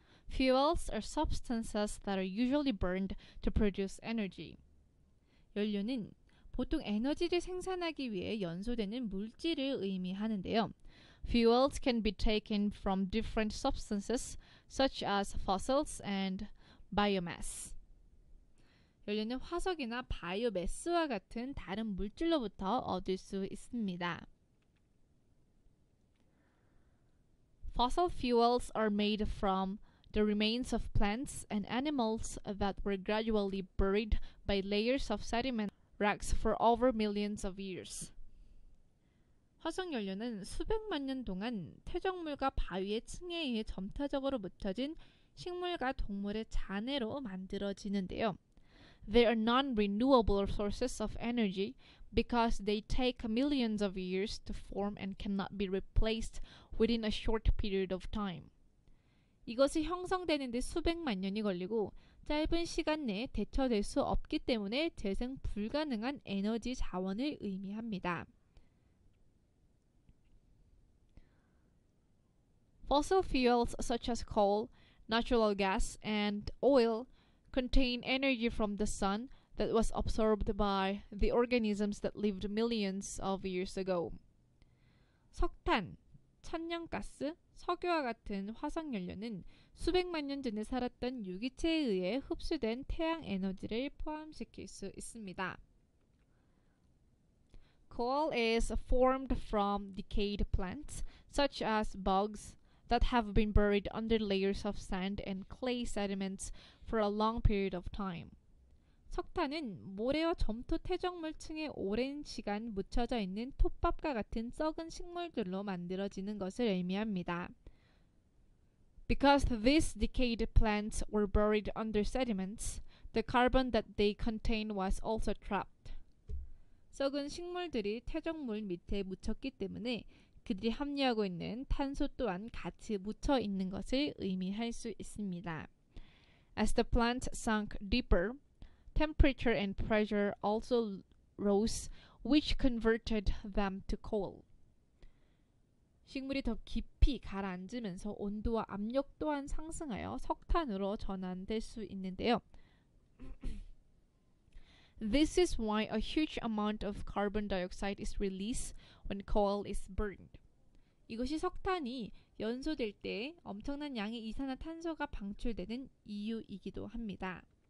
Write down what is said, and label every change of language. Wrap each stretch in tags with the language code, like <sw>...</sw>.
<en>Fuels are substances that are usually burned to produce energy.</en> <ko>연료는 보통 에너지를 생산하기 위해 연소되는 물질을 의미하는데요.</ko> <en>Fuels can be taken from different substances, such as fossils and biomass.</en> <ko>연료는 화석이나 바이오매스와 같은 다른 물질로부터 얻을 수 있습니다.</ko> <en>Fossil fuels are made from the remains of plants and animals that were gradually buried by layers of sediment rocks for over millions of years.</en> <ko>화석 연료는 수백만 년 동안 퇴적물과 바위의 층에 의해 점차적으로 묻혀진 식물과 동물의 잔해로 만들어지는데요.</ko> <en>They are non-renewable sources of energy because they take millions of years to form and cannot be replaced within a short period of time.</en> <ko>이것이 형성되는 데 수백만 년이 걸리고 짧은 시간 내에 대체될 수 없기 때문에 재생 불가능한 에너지 자원을 의미합니다.</ko> <en>Fossil fuels such as coal, natural gas, and oil contain energy from the sun that was absorbed by the organisms that lived millions of years ago.</en> <ko>석탄, 천연가스, 석유와 같은 화석 연료는 수백만 년 전에 살았던 유기체에 의해 흡수된 태양 에너지를 포함시킬 수 있습니다.</ko> <en>Coal is formed from decayed plants such as bugs that have been buried under layers of sand and clay sediments for a long period of time.</en> <ko>석탄은 모래와 점토 퇴적물층에 오랜 시간 묻혀져 있는 톱밥과 같은 썩은 식물들로 만들어지는 것을 의미합니다.</ko> <en>Because these decayed plants were buried under sediments, the carbon that they contained was also trapped.</en> <ko>썩은 식물들이 퇴적물 밑에 묻혔기 때문에 그들이 함유하고 있는 탄소 또한 같이 묻혀 있는 것을 의미할 수 있습니다.</ko> <en>As the plant sunk deeper, temperature and pressure also rose, which converted them to coal.</en> <ko>식물이 더 깊이 가라앉으면서 온도와 압력 또한 상승하여 석탄으로 전환될 수 있는데요.</ko> <en>This is why a huge amount of carbon dioxide is released when coal is burned.</en> <ko>이것이 석탄이 연소될 때 엄청난 양의 이산화탄소가 방출되는 이유이기도 합니다.</ko>